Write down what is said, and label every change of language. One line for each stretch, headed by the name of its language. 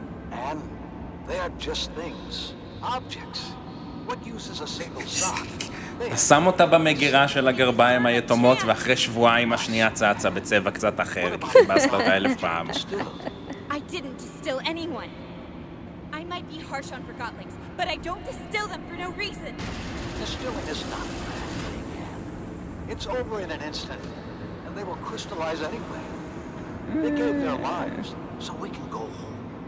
English: And they are just things, objects. What use is a single sock?
Hebrew: שם אותה במגירה של הגרביים היתומות, ואחרי שבועיים השנייה צצה בצבע קצת אחר, כי חיבסת אותה אלף פעם.
English: I didn't distill anyone. I might be harsh on forgotlings, but I don't distill them for no reason. Distilling is not bad. It's over in an instant, and they will crystallize anyway. They gave their lives, so we can go home.